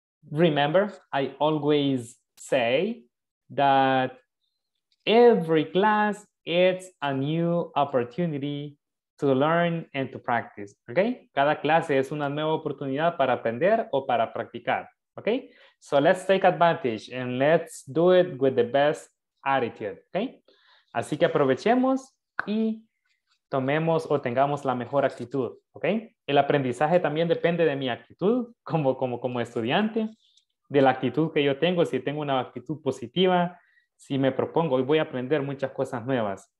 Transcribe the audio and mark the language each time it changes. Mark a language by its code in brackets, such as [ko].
[en] Remember, I always say that every class is a new opportunity to learn and to practice, okay? [es] Cada clase es una nueva oportunidad para aprender o para practicar, okay? [en] So let's take advantage and let's do it with the best attitude, okay? [es] Así que aprovechemos y tomemos o tengamos la mejor actitud, okay? El aprendizaje también depende de mi actitud como estudiante, de la actitud que yo tengo, si tengo una actitud positiva, si me propongo hoy voy a aprender muchas cosas nuevas.